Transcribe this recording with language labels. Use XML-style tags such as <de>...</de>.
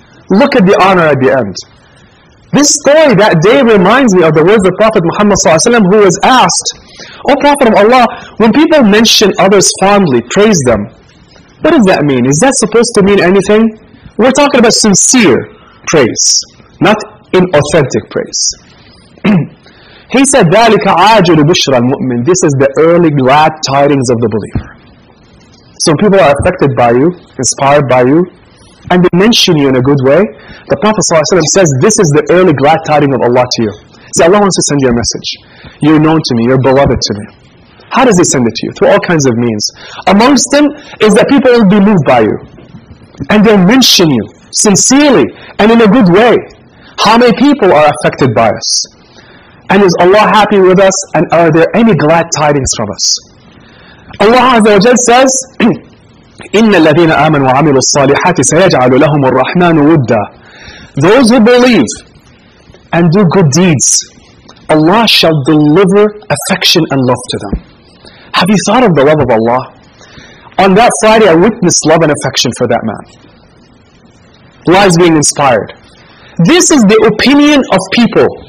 <en>Look at the honor at the end. This story that day reminds me of the words of Prophet Muhammad Sallallahu Alaihi Wasallam, who was asked, O Prophet of Allah, when people mention others fondly, praise them, what does that mean? Is that supposed to mean anything? We're talking about sincere praise, not inauthentic praise. He said,</en> <ar>ذَلِكَ عَاجِلُ بُشْرَ الْمُؤْمِنِ.</ar> <en>This is the early glad tidings of the believer. So people are affected by you, inspired by you, and they mention you in a good way. The Prophet ﷺ says, this is the early glad tidings of Allah to you. See, Allah wants to send you a message. You're known to me, you're beloved to me. How does He send it to you? Through all kinds of means. Amongst them is that people will be moved by you. And they'll mention you, sincerely, and in a good way. How many people are affected by us? And is Allah happy with us? And are there any glad tidings from us? Allah Azza wa Jalla says,</en> <ar>إِنَّ الَّذِينَ آمَنُوا وَعَمِلُوا الصَّالِحَاتِ سَيَجْعَلُ لَهُمُ الرَّحْمَنُ وُدَّ.</ar> <en>Those who believe and do good deeds, Allah shall deliver affection and love to them. Have you thought of the love of Allah? On that Friday, I witnessed love and affection for that man. Lives being inspired. This is the opinion of people.</en>